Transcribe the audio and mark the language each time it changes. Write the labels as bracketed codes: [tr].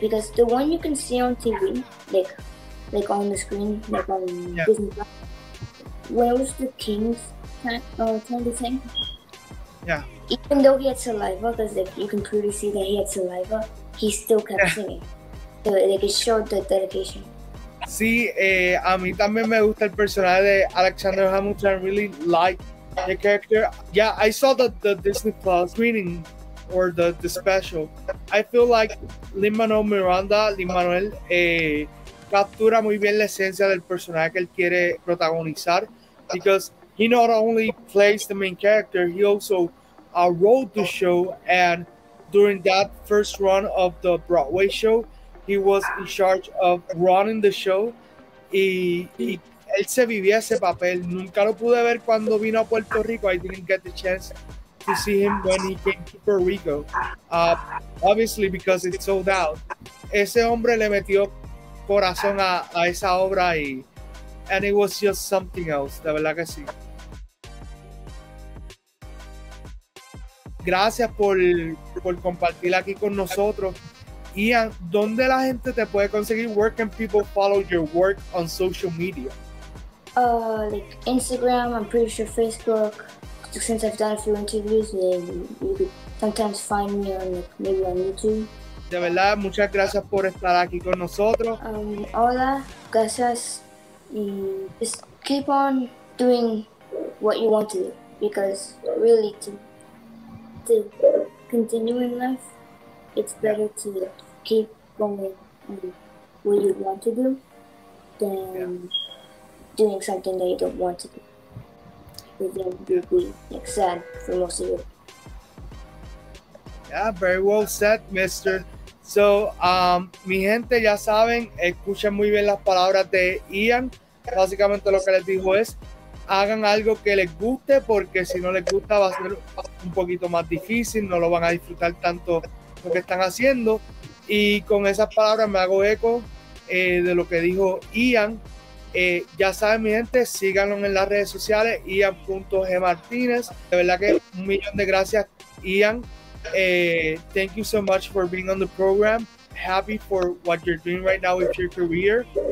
[en] Because the one you can see on TV, like on the screen, like on Disney Plus, where was the king's time to sing? Yeah. Even though he had saliva, because like, you can clearly see that he had saliva, he still kept singing. So like, it showed the dedication. [es] Sí, a mí también me gusta el personaje de Alexander Hamilton. [en] I really like the character. Yeah, I saw the Disney Plus screening or the special. I feel like Lin-Manuel captura muy bien la esencia del personaje que él quiere protagonizar, because he not only plays the main character, he also wrote the show, and during that first run of the Broadway show, he was in charge of running the show. [es] Y él se vivía ese papel. Nunca lo pude ver cuando vino a Puerto Rico. [en] I didn't get the chance to see him when he came to Puerto Rico. [es] Obviously, because it's sold out. Ese hombre le metió corazón a esa obra, and it was just something else, de verdad que sí. Gracias por compartir aquí con nosotros. Ian, ¿dónde la gente te puede conseguir? [en] Where can people follow your work on social media? Like Instagram, I'm pretty sure Facebook. Since I've done a few interviews, you could sometimes find me on maybe on YouTube. [es] De verdad, muchas gracias por estar aquí con nosotros. Hola, gracias. [en] Just keep on doing what you want to do, because really to continue in life, it's better to keep going on what you want to do than doing something that you don't want to do. Because then you'll be like, sad for most of you. Yeah, very well said, mister. [es] So, mi gente, ya saben, escuchen muy bien las palabras de Ian. Básicamente lo que les dijo es, hagan algo que les guste, porque si no les gusta va a ser un poquito más difícil, no lo van a disfrutar tanto lo que están haciendo. Y con esas palabras me hago eco de lo que dijo Ian. Ya saben, mi gente, síganlo en las redes sociales, ian.gmartinez. De verdad que un millón de gracias, Ian. [en] Thank you so much for being on the program. Happy for what you're doing right now with your career.